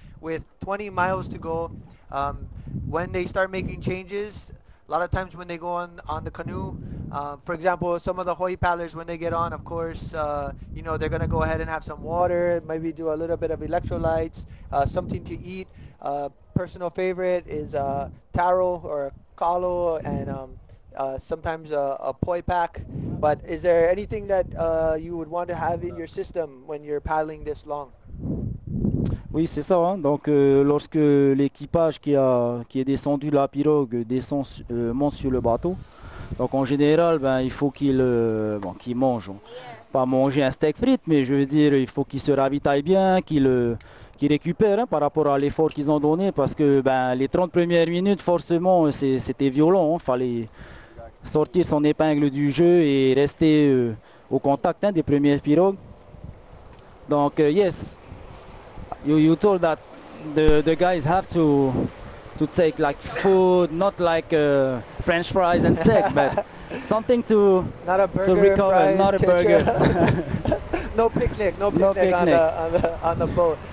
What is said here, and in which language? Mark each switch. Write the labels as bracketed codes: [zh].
[en] With 20 miles to go, when they start making changes, a lot of times when they go on the canoe, for example, some of the Hawaii paddlers, when they get on, of course, you know, they're going to go ahead and have some water, maybe do a little bit of electrolytes, something to eat. Personal favorite is taro or kalo, and sometimes a poi pack. But is there anything that you would want to have in your system when you're paddling this long? [fr] Oui, c'est ça. Hein. Donc, lorsque l'équipage qui est descendu de la pirogue descend monte sur le bateau, donc en général, ben il faut qu'il qu'il mange, pas manger un steak frite, mais je veux dire, il faut qu'il se ravitaille bien, qu'il récupère hein, par rapport à l'effort qu'ils ont donné, parce que ben les 30 premières minutes, forcément, c'était violent. Hein. Fallait sortir son épingle du jeu et rester au contact hein, des premières pirogues. [en] Donc, yes. You told that the guys have to take like food, not like French fries and steak, but something to not a burger, to recover, fries, not a burger. No picnic. On the boat.